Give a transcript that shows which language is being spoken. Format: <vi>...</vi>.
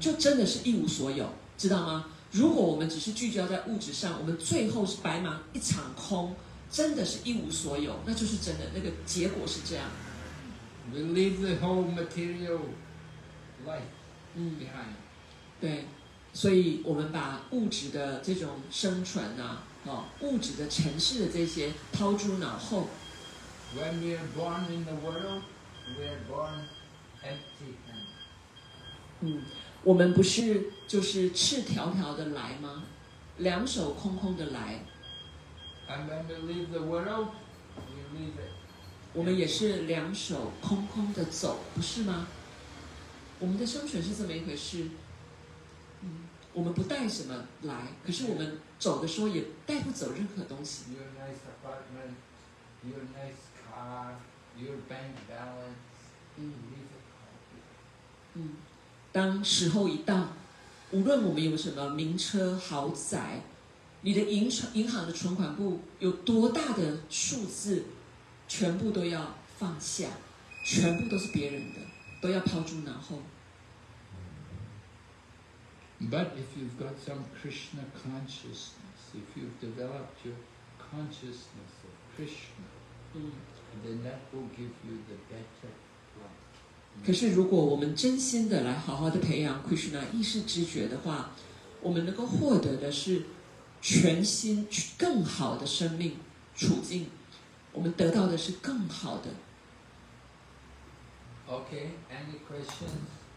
<zh>就真的是一无所有，知道吗？如果我们只是聚焦在物质上，我们最后是白忙一场空，真的是一无所有，那就是真的，那个结果是这样。</zh> <en>We leave the whole material life behind.</en> <zh>对，所以我们把物质的这种生存啊，物质的尘世的这些抛诸脑后。</zh> <en>When we are born in the world, we are born empty-handed.</en> <zh>我们不是就是赤条条的来吗？两手空空的来。</zh> <en>And when we leave the world, we leave it.</en> <zh>我们也是两手空空的走，不是吗？我们的生存是这么一回事。我们不带什么来，可是我们走的时候也带不走任何东西。</zh> <en>Your nice apartment, your nice car, your bank balance, leave it all.</en> <zh>当时候一到，无论我们有什么名车豪宅，你的银行的存款簿有多大的数字，全部都要放下，全部都是别人的，都要抛诸脑后。</zh> <en>But if you've got some Krishna consciousness, if you've developed your consciousness of Krishna, then that will give you the better life.</en> <zh>可是如果我们真心的来好好的培养 Krishna 意识知觉的话，我们能够获得的是全新更好的生命处境，我们得到的是更好的。</zh> <en>Okay, any questions?</en>